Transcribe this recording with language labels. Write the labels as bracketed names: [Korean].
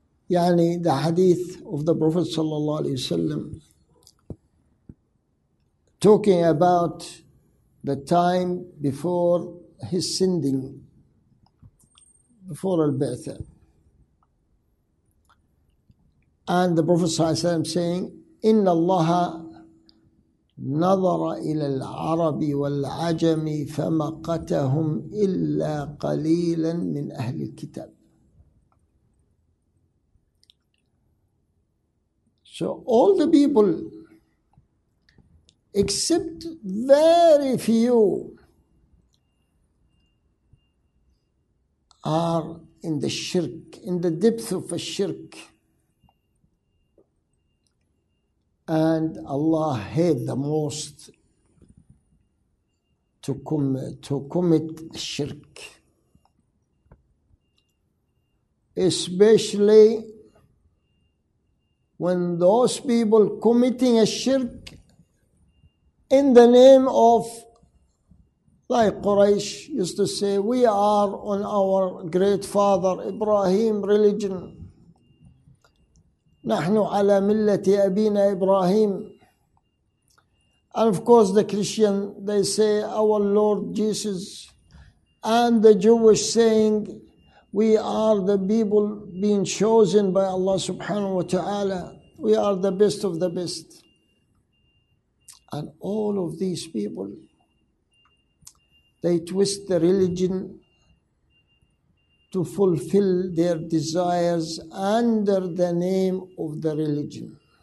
[English] Yani, the hadith of the Prophet sallallahu alaihi wasallam talking about the time before his sending, before al-ba'tha, and the Prophet sallallahu alaihi wasallam saying, [Arabic] inna allaha نظر إلى العرب والعجم فمقتهم إلا قليلا من أهل الكتاب. [English] So all the people except very few are in the shirk, in the depth of a shirk. And Allah hates the most to commit shirk. Especially when those people committing a shirk in the name of, like Quraysh used to say, we are on our great father Ibrahim religion. [Arabic] نحن على ملة أبينا إبراهيم. [English] And of course the Christian, they say our Lord Jesus. And the Jewish saying, we are the people being chosen by Allah subhanahu wa ta'ala. We are the best of the best. And all of these people, they twist the religion to fulfill their desires under the name of the religion.